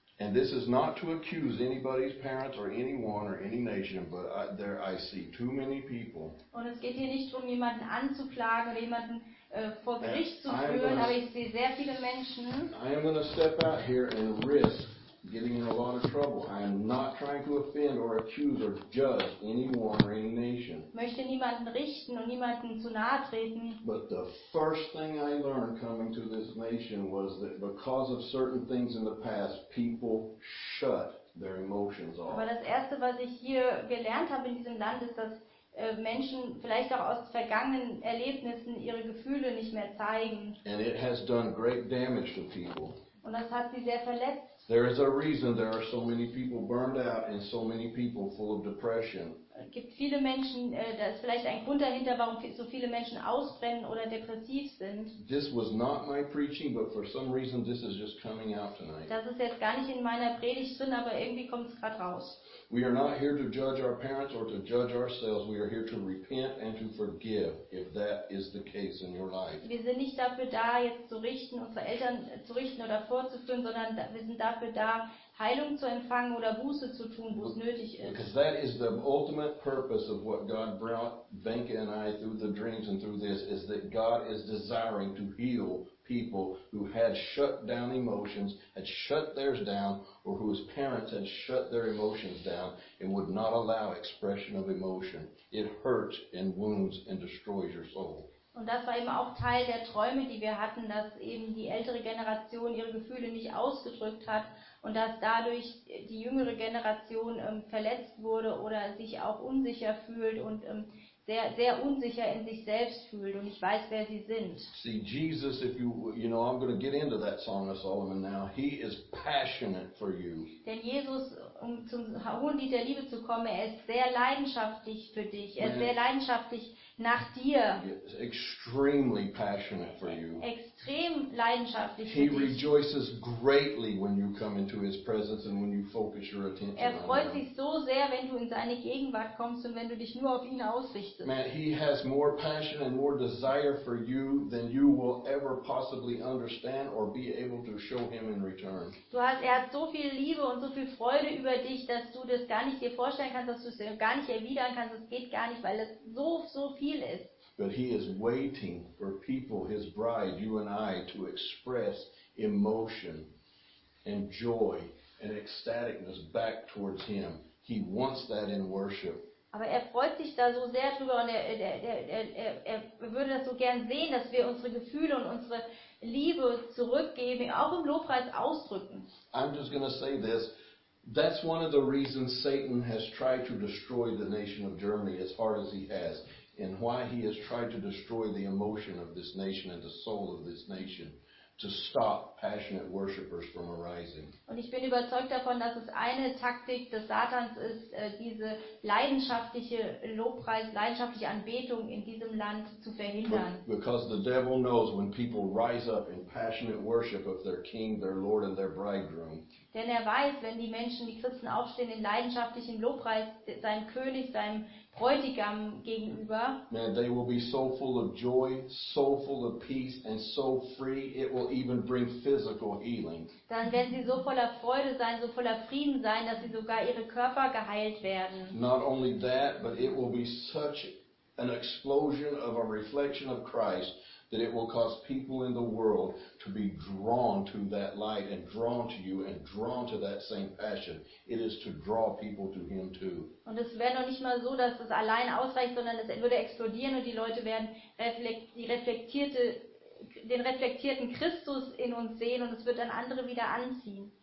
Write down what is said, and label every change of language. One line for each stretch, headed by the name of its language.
English: And this is not to accuse anybody's parents or anyone or any nation, but I see too many people.
German: Und es geht hier nicht darum, jemanden anzuklagen oder jemanden vor Gericht zu führen, aber ich sehe sehr viele Menschen.
English: I am going to step out here and risk getting in a lot of trouble. I am not trying to offend or accuse or judge anyone or any nation.
German: Möchte niemanden richten und niemanden zu nahe treten.
English: But the first thing I learned coming to this nation was that because of certain things in the past, people shut their emotions off.
German: Aber das erste, was ich hier gelernt habe in diesem Land, ist, dass Menschen vielleicht auch aus vergangenen Erlebnissen ihre Gefühle nicht mehr zeigen.
English: And it has done great damage to people.
German: Und das hat sie sehr verletzt.
English: There is a reason there are so many people burned out and so many people full of depression.
German: Es gibt viele Menschen, da ist vielleicht ein Grund dahinter, warum so viele Menschen ausbrennen oder depressiv sind.
English: This was not my preaching, but for some reason this is just coming out tonight.
German: Das ist jetzt gar nicht in meiner Predigt drin, aber irgendwie kommt es gerade raus.
English: We are not here to judge our parents or to judge ourselves. We are here to repent and to forgive if that is the case in your life.
German: Wir sind nicht dafür da, jetzt zu richten, unsere Eltern zu richten oder vorzuführen, sondern wir sind dafür da, Heilung zu empfangen oder Buße zu tun, wo es nötig ist.
English: Because that is the ultimate purpose of what God brought Venka and I through the dreams and through this, is that God is desiring to heal people who had shut down emotions, had shut theirs down, or whose parents had shut their emotions down and would not allow expression of emotion. It hurts and wounds and destroys your soul.
German: Und das war eben auch Teil der Träume, die wir hatten, dass eben die ältere Generation ihre Gefühle nicht ausgedrückt hat und dass dadurch die jüngere Generation verletzt wurde oder sich auch unsicher fühlt und sehr, sehr unsicher in sich selbst fühlt und ich weiß, wer sie sind.
English: See, Jesus, if you know, I'm going to get into that Song of Solomon now. He is passionate for you.
German: Denn Jesus, um zum hohen Lied der Liebe zu kommen, er ist sehr leidenschaftlich für dich. Er ist sehr leidenschaftlich nach dir.
English: Extremely passionate for you.
German: Extrem leidenschaftlich für dich.
English: He rejoices greatly when you come into his presence and when you focus your attention on him.
German: Er freut sich so sehr, wenn du in seine Gegenwart kommst und wenn du dich nur auf ihn ausrichtest.
English: Man, he has more passion and more desire for you than you will ever possibly understand or be able to show him in return.
German: Er hat so viel Liebe und so viel Freude über dich, dass du das gar nicht dir vorstellen kannst, dass du es gar nicht erwidern kannst. Das geht gar nicht, weil es so, so viel ist.
English: But he is waiting for people, his bride, you and I, to express emotion and joy and ecstaticness back towards him. He wants that in worship.
German: Aber er freut sich da so sehr drüber und er würde das so gern sehen, dass wir unsere Gefühle und unsere Liebe zurückgeben, auch im Lobpreis ausdrücken.
English: I'm just going to say this. That's one of the reasons Satan has tried to destroy the nation of Germany as hard as he has. And why he has tried to destroy the emotion of this nation and the soul of this nation to stop passionate worshipers from arising.
German: Und ich bin überzeugt davon, dass es eine Taktik des Satans ist, diese leidenschaftliche Lobpreis, leidenschaftliche Anbetung in diesem Land zu verhindern.
English: Because the devil knows when people rise up in passionate worship of their king, their lord and their bridegroom.
German: Denn er weiß, wenn die Menschen, die Christen aufstehen in leidenschaftlichem Lobpreis seinem König, seinem Bräutigam gegenüber.
English: Man, they will be so full of joy, so full of peace and so free, it will even bring physical healing.
German: Dann werden sie so voller Freude sein, so voller Frieden sein, dass sie sogar ihre Körper geheilt werden.
English: Not only that, but it will be such an explosion of a reflection of Christ that it will cause people in the world to be drawn to that light and drawn to you and drawn to that same passion. It is to draw people to him too.
German: Und es wäre noch nicht mal so, dass es allein ausreicht, sondern es würde explodieren und die Leute werden den reflektierten Christus in uns sehen und es wird dann andere wieder anziehen.